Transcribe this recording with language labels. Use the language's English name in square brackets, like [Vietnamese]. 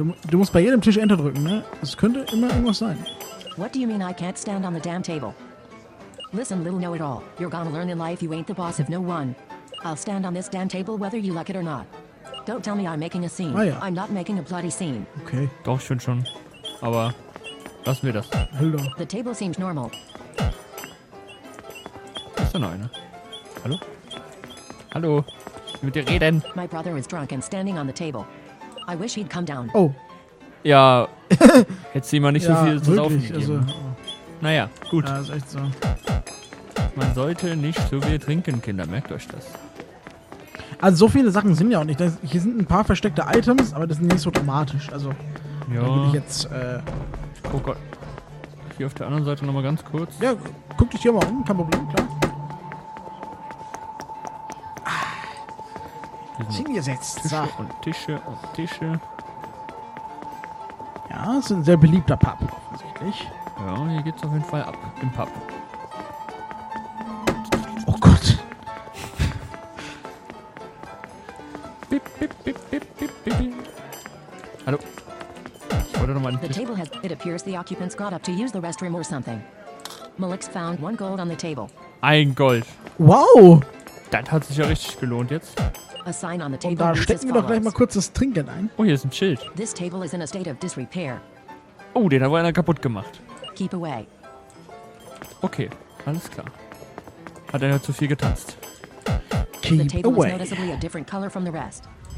[German] Du musst bei jedem Tisch Enter drücken, ne? Es könnte immer irgendwas sein. [English] What do you mean I can't stand on the damn table? Listen, little know-it-all. You're gonna learn in life you ain't the boss of no one. I'll stand on this damn table whether you like it or not. Don't tell me I'm making a scene. [German] Ah, ja. [English] I'm not making a bloody scene. [German] Okay. Doch, ich finde schon. Aber lassen wir das. Hallo. [English] The table seems normal. [German] Ist da noch einer? Hallo? Hallo? Ich will mit dir reden. [English] My brother is drunk and standing on the table. I wish he'd come down. Oh. [German] Ja, hätte sie mal nicht so viel zu laufen gegeben. Also, naja, gut. Ja, ist echt so. Man sollte nicht so viel trinken, Kinder, merkt euch das. Also so viele Sachen sind ja auch nicht. Das, hier sind ein paar versteckte Items, aber das ist nicht so dramatisch. Also, ja. Da bin ich jetzt, Oh Gott. Hier auf der anderen Seite nochmal ganz kurz. Ja, guck dich hier mal um, kein Problem, klar. Hingesetzt. Tische. Ja, es ist ein sehr beliebter Pub, offensichtlich. Ja, hier geht's auf jeden Fall ab, im Pub. Oh Gott. Bip, bip, bip, bip, bip, bip. Hallo. Ich wollte nochmal [English] The table has... It appears the occupants got up to use the restroom or something. Malik's found one gold on the table. [German] Ein Gold. Wow. Das hat sich ja richtig gelohnt jetzt. [English] A sign on the table. [German] Und da stecken wir doch gleich mal kurz das Trinken ein. Oh, hier ist ein Schild. [English] This table is in a state of disrepair. [German] Oh, den hat wohl einer kaputt gemacht. [English] Keep away. [German] Okay, alles klar. Hat einer zu viel getanzt. [English] Keep away. The table is noticeably a different color from the rest.